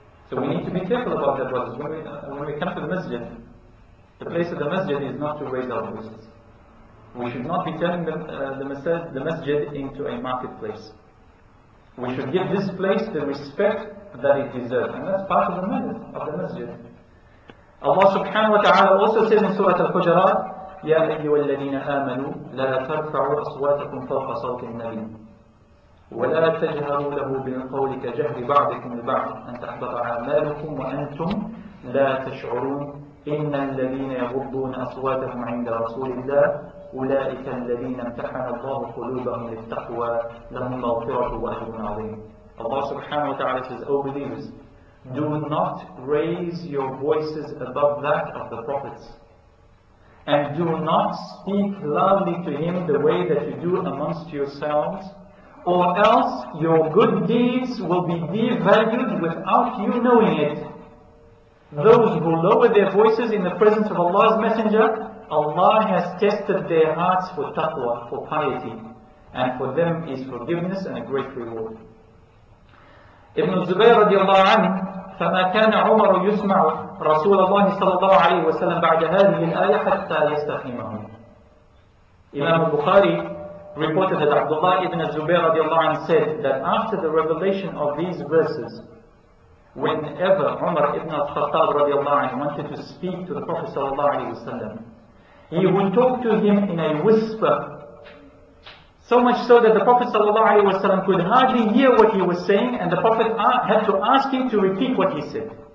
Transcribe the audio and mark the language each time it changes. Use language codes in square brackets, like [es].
[en] So we need to be careful about that, brothers. When we come to the masjid, the place of the masjid is not to raise our voices. We should not be turning the masjid into a marketplace. We should give this place the respect that it deserves. And that's part of the manners of the masjid. Allah subhanahu wa ta'ala also says in Surah Al-Hujarat, [ar] يَا أَيُّوَا الَّذِينَ آمَنُوا لَا تَرْفَعُوا أَصْوَاتَكُمْ فَوْقَ صَوْتِ النَّبِيِّ وَلَا تَجْهَرُوا لَهُ بِالْقَوْلِ كَجَهْرِ بَعْضِكُمْ لِبَعْضٍ أَنْ تَحْبَطَ أَعْمَالُكُمْ وَأَنْتُمْ لَا تَشْعُرُونَ إِنَّ الَّذِينَ يَغُضُّونَ أَصْوَاتَهُمْ عِنْدَ رَسُولِ اللَّهِ أولئك الذين امتحن الله قلوبهم للتقوى لهم مغفرة وأجر عظيم. [en] Allah subhanahu wa ta'ala says, O believers, do not raise your voices above that of the prophets. And do not speak loudly to him the way that you do amongst yourselves, or else your good deeds will be devalued without you knowing it. Those who lower their voices in the presence of Allah's Messenger, Allah has tested their hearts for taqwa, for piety, and for them is forgiveness and a great reward. [ar] Ibn Zubayr radiallahu anhu, فما كان عمر يسمع رسول الله صلى الله عليه وسلم بعد هذه الآية حتى يستقيمه. [en] Imam al-Bukhari reported that Abdullah ibn Zubayr radiallahu anhu said that after the revelation of these verses, whenever Umar ibn al-Khattab radiallahu anhu wanted to speak to the Prophet sallallahu alaihi wasallam, he would talk to him in a whisper, so much so that the Prophet ﷺ could hardly hear what he was saying, and the Prophet had to ask him to repeat what he said.